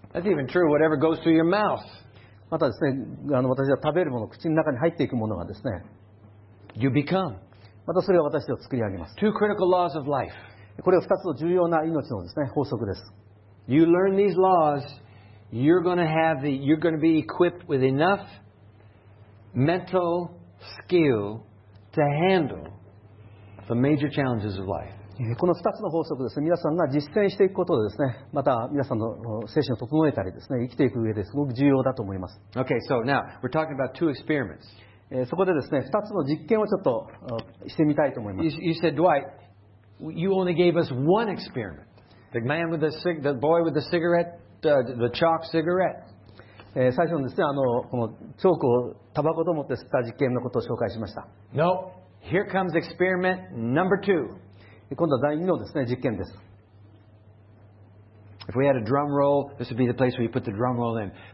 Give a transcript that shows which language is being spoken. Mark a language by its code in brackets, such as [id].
[en] That's even true. Whatever goes through your mouth. [ja] またですね、あの私は食べるもの、口の中に入っていくものがですね、 [en] you become. [ja] またそれが私を作り上げます。 [en] Two critical laws of life. [ja] これが2つの重要な命のですね、法則です。 [en] You learn these laws, you're going to be equipped with enough mental skill to handle the major challenges of life. [ja] この2つの法則ですね、皆さんが実践していくことでですね、また皆さんの精神を整えたりですね、生きていく上ですごく重要だと思います。 [en] Okay, so now we're talking about two experiments. [ja] そこでですね、2つの実験をちょっとしてみたいと思います。 [en] You said, Dwight,You only gave us one experiment. The man with the boy with the cigarette, the chalk cigarette. [ja] 最初にですね、あのこのチョークをタバコと思って吸った実験のことを紹介しました。 [en] No, here comes experiment number two. [ja] 今度は第二のですね実験です。 [en] If we had a drum roll, this would be the place where you put the drum roll in.